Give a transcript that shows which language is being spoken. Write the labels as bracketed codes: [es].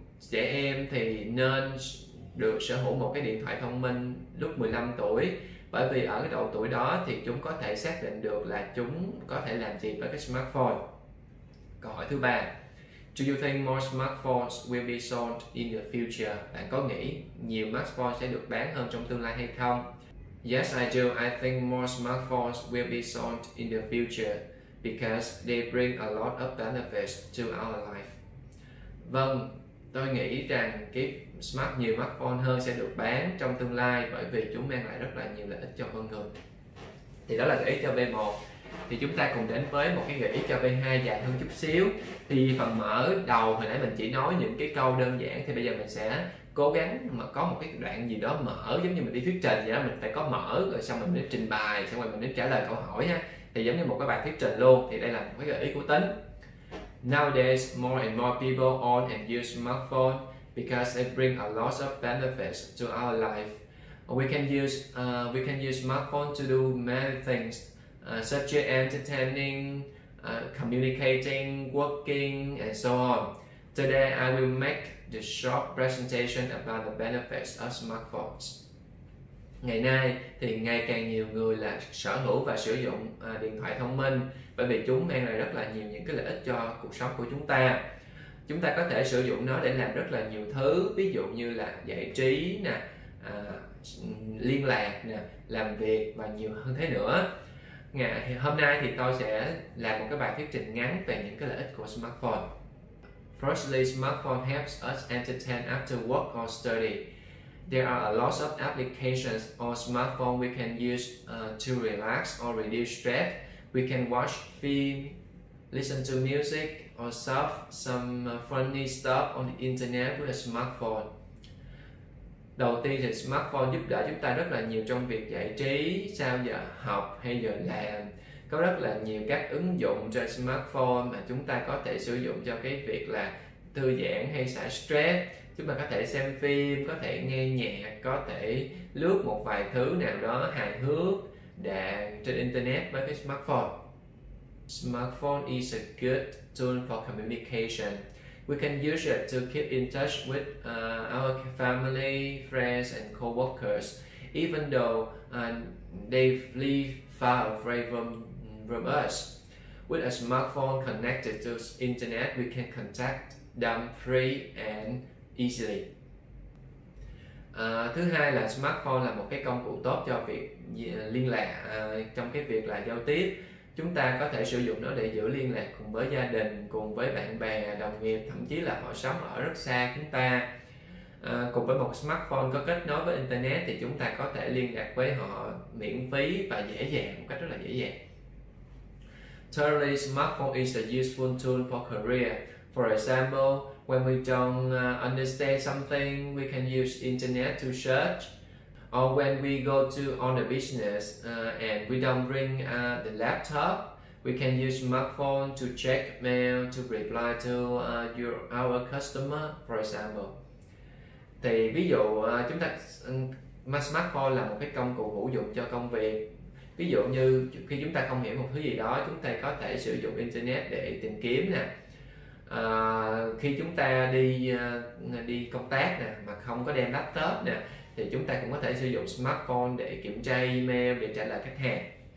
[vi] Trẻ em thì nên được sở hữu một cái điện thoại thông minh lúc 15 tuổi, bởi vì ở cái độ tuổi đó thì chúng có thể xác định được là chúng có thể làm gì với cái smartphone. Câu hỏi thứ ba. [en] Do you think more smartphones will be sold in the future? [vi] Bạn có nghĩ nhiều smartphones sẽ được bán hơn trong tương lai hay không? [en] Yes, I do. I think more smartphones will be sold in the future because they bring a lot of benefits to our life. [vi] Vâng, tôi nghĩ rằng cái nhiều smartphone hơn sẽ được bán trong tương lai bởi vì chúng mang lại rất là nhiều lợi ích cho con người. Thì đó là gợi ý cho B1. Thì chúng ta cùng đến với một cái gợi ý cho B2 dài hơn chút xíu. Thì phần mở đầu hồi nãy mình chỉ nói những cái câu đơn giản, thì bây giờ mình sẽ cố gắng mà có một cái đoạn gì đó mở, giống như mình đi thuyết trình vậy đó. Mình phải có mở rồi xong mình mới trình bày, xong rồi mình mới trả lời câu hỏi ha. Thì giống như một cái bài thuyết trình luôn. Thì đây là một cái gợi ý của Tính. [en] Nowadays, more and more people own and use smartphone because it brings a lot of benefits to our life. We can use smartphone to do many things, such as entertaining, communicating, working, and so on. Today, I will make the short presentation about the benefits of smartphones. [vi] Ngày nay thì ngày càng nhiều người là sở hữu và sử dụng điện thoại thông minh bởi vì chúng mang lại rất là nhiều những cái lợi ích cho cuộc sống của chúng ta. Chúng ta có thể sử dụng nó để làm rất là nhiều thứ, ví dụ như là giải trí nè, liên lạc nè, làm việc và nhiều hơn thế nữa. Hôm nay thì tôi sẽ làm một cái bài thuyết trình ngắn về những cái lợi ích của smartphone. [en] Firstly, smartphone helps us entertain after work or study. There are a lot of applications on smartphone we can use to relax or reduce stress. We can watch film, listen to music, or surf some funny stuff on the internet with a smartphone. [vi] Đầu tiên thì smartphone giúp đỡ chúng ta rất là nhiều trong việc giải trí, sau giờ học hay giờ làm. Có rất là nhiều các ứng dụng trên smartphone mà chúng ta có thể sử dụng cho cái việc là thư giãn hay xả stress. Chúng ta có thể xem phim, có thể nghe nhạc, có thể lướt một vài thứ nào đó hài hước trên internet với cái smartphone. [en] Smartphone is a good tool for communication. We can use it to keep in touch with our family, friends and co-workers, even though they live far away from us. With a smartphone connected to internet, we can contact them free and easily. [vi] Thứ hai là smartphone là một cái công cụ tốt cho việc liên lạc, trong cái việc là giao tiếp. chúng ta có thể sử dụng nó để giữ liên lạc cùng với gia đình, cùng với bạn bè, đồng nghiệp, thậm chí là họ sống ở rất xa chúng ta. Cùng với một smartphone có kết nối với Internet thì chúng ta có thể liên lạc với họ miễn phí và dễ dàng, một cách rất là dễ dàng. [en] Totally, smartphone is a useful tool for career. For example, when we don't understand something, we can use Internet to search. Or when we go to on a business and we don't bring the laptop, we can use smartphone to check mail, to reply to our customer, for example. [vi] Thì ví dụ chúng ta smartphone là một cái công cụ hữu dụng cho công việc. Ví dụ như khi chúng ta không hiểu một thứ gì đó, chúng ta có thể sử dụng Internet để tìm kiếm nè. Khi chúng ta đi công tác nè mà không có đem laptop nè, thì chúng ta cũng có thể sử dụng smartphone để kiểm tra email, để trả lời khách hàng.